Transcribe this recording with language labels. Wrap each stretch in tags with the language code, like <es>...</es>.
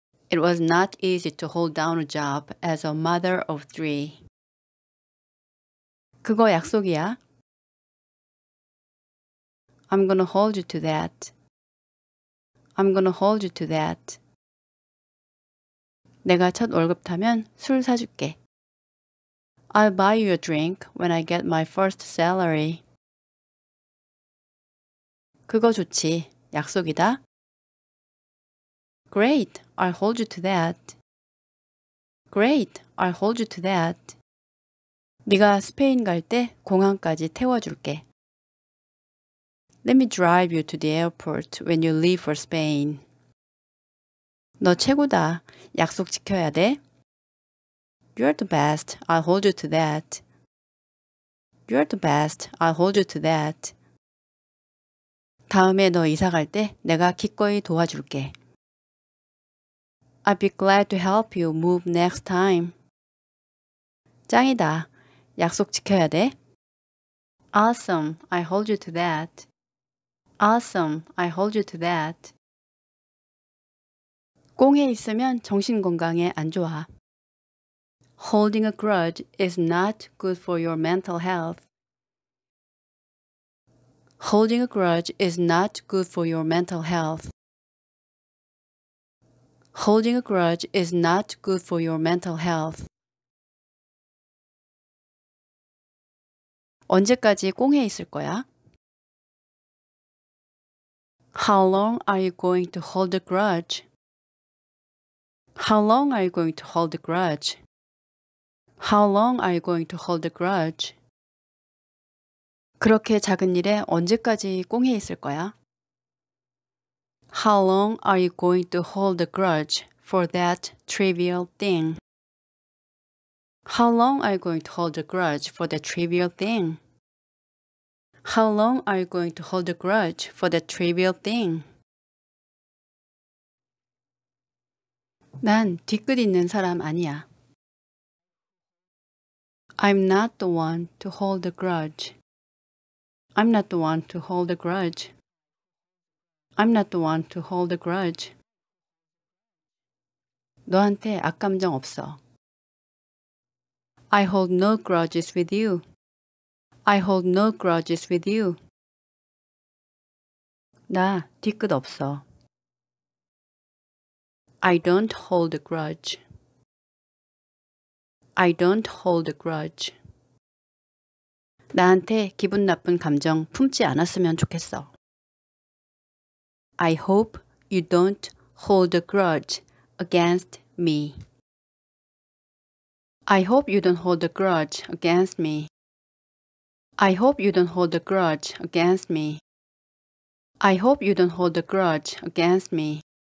<en>It was not easy to hold down a job as a mother of three.</en> <ko>그거 약속이야.</ko> <en>I'm gonna hold you to that. I'm gonna hold you to that.</en> <ko>내가 첫 월급 타면 술 사줄게.</ko> <en>I'll buy you a drink when I get my first salary.</en> <ko>그거 좋지. 약속이다.</ko> <en>Great, I'll hold you to that. Great, I'll hold you to that.</en> <ko>네가 스페인 갈 때 공항까지 태워줄게.</ko> <en>Let me drive you to the airport when you leave for Spain.</en> <ko>너 최고다. 약속 지켜야 돼.</ko> <en>You're the best. I'll hold you to that. You're the best. I'll hold you to that.</en> <ko>다음에 너 이사 갈 때 내가 기꺼이 도와줄게.</ko> <en>I'd be glad to help you move next time.</en> <ko>짱이다. 약속 지켜야 돼.</ko> <en>Awesome. I hold you to that. Awesome. I hold you to that.</en> <ko>꽁에 있으면 정신 건강에 안 좋아.</ko> <en>Holding a grudge is not good for your mental health. Holding a grudge is not good for your mental health. Holding a grudge is not good for your mental health.</en> <ko>언제까지 꽁에 있을 거야?</ko> <en>How long are you going to hold a grudge? How long are you going to hold a grudge? How long are you going to hold a grudge?</en> <ko>그렇게 작은 일에 언제까지 꽁해 있을 거야?</ko> <en>How long are you going to hold a grudge for that trivial thing? How long are you going to hold a grudge for that trivial thing? How long are you going to hold a grudge for that trivial thing?</en> <ko>난 뒤끝 있는 사람 아니야.</ko> <en>I'm not the one to hold a grudge. I'm not the one to hold a grudge. I'm not the one to hold a grudge.</en> <ko>너한테 악감정 없어.</ko> <en>I hold no grudges with you. I hold no grudges with you.</en> <ko>나 뒤끝 없어.</ko> <en>I don't hold a grudge. I don't hold a grudge.</en> <ko>나한테 기분 나쁜 감정 품지 않았으면 좋겠어.</ko> <en>I hope you don't hold a grudge against me. I hope you don't hold a grudge against me. I hope you don't hold a grudge against me. I hope you don't hold a grudge against me.</en>